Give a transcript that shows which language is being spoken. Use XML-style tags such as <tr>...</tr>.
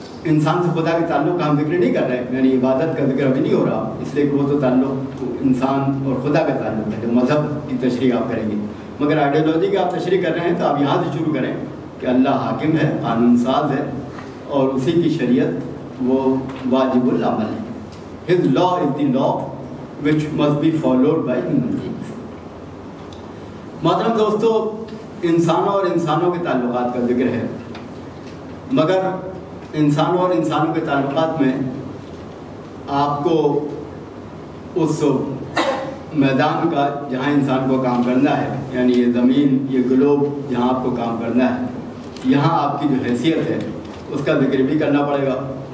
<ur>انسان سے خدا کے تعلق کا ہم ذکر نہیں کر رہے, یعنی عبادت کا ذکر ابھی نہیں ہو رہا, اس لیے کہ وہ تو تعلق انسان اور خدا کا تعلق ہے جو مذہب کی تشریح آپ کریں گے. مگر آئیڈیولوجی کی آپ تشریح کر رہے ہیں تو آپ یہاں سے شروع کریں کہ اللہ حاکم ہے, قانون ساز ہے اور اسی کی شریعت وہ واجب العمل ہے.</ur> <en>His law is the law which must be followed by human beings.</en> <ur>محترم دوستو, انسانوں اور انسانوں کے تعلقات کا ذکر ہے, مگر انسانوں اور انسانوں کے تعلقات میں آپ کو اس میدان کا جہاں انسان کو کام کرنا ہے, یعنی یہ زمین, یہ گلوب جہاں آپ کو کام کرنا ہے, یہاں آپ کی جو حیثیت ہے اس کا ذکر بھی کرنا پڑے گا.</ur>